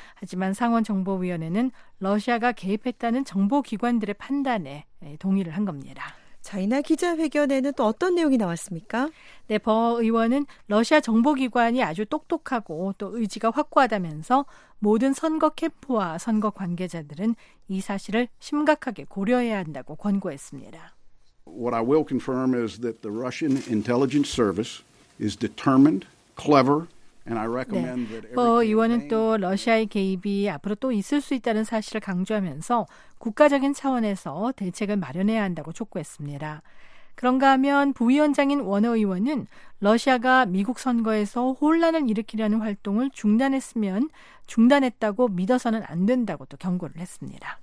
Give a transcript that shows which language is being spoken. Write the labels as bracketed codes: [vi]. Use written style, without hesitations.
[ko] 하지만 상원정보위원회는 러시아가 개입했다는 정보기관들의 판단에 동의를 한 겁니다. 자, 이날 기자회견에는 또 어떤 내용이 나왔습니까? 네, 버 의원은 러시아 정보기관이 아주 똑똑하고 또 의지가 확고하다면서 모든 선거 캠프와 선거 관계자들은 이 사실을 심각하게 고려해야 한다고 권고했습니다. [en] What I will confirm is that the Russian intelligence service is determined, clever, and I recommend that. [ko] 버 의원은 또 러시아의 개입이 앞으로 또 있을 수 있다는 사실을 강조하면서 국가적인 차원에서 대책을 마련해야 한다고 촉구했습니다. 그런가 하면 부위원장인 워너 의원은 러시아가 미국 선거에서 혼란을 일으키려는 활동을 중단했다고 믿어서는 안 된다고 또 경고를 했습니다.